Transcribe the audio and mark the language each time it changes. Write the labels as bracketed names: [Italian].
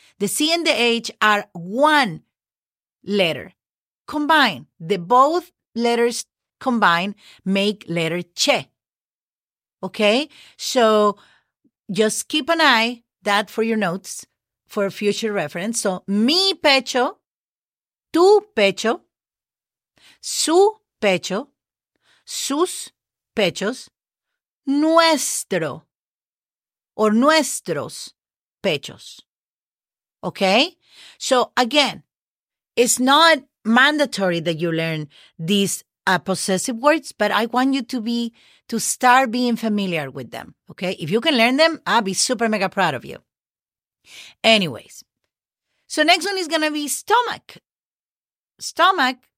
[English] The C and the H are one letter. Combine. The both letters combine make letter che. Okay? So just keep an eye that for your notes for future reference. [Spanish] So mi pecho, tu pecho, su pecho, sus pechos, nuestro or nuestros pechos. [English] Okay? So again, it's not mandatory that you learn these possessive words, but I want you to start being familiar with them. Okay? If you can learn them, I'll be super mega proud of you. Anyways, so next one is going to be stomach. Stomach.